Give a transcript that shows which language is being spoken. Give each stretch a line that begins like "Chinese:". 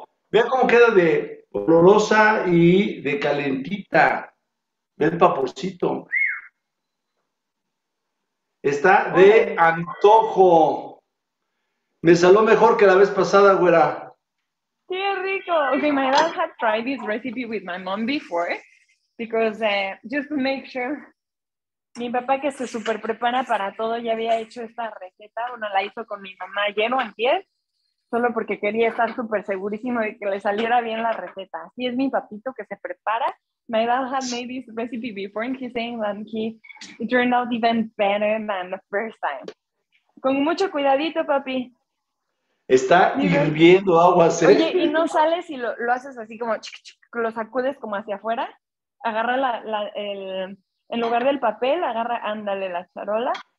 Spanish: vea cómo queda de olorosa y de calentita. Ve el vaporcito. Está de antojo. Me saló mejor que la vez pasada, güera. ¡Qué rico!
English: Ok, my dad had tried this recipe with my mom before. Because, just to make sure,
Spanish: mi papá que se super prepara para todo ya había hecho esta receta. Bueno, la hizo con mi mamá lleno en pie. Solo porque quería estar súper segurísimo de que le saliera bien la receta. Así es mi papito que se prepara.
English: My dad had made this recipe before and he's saying that he turned out even better than the first time.
Spanish: Con mucho cuidadito, papi. Está hirviendo agua, ¿eh? Oye, ¿y no sales y lo haces así como, chik, chik, lo sacudes como hacia afuera? Agarra en lugar del papel, agarra, ándale, la charola.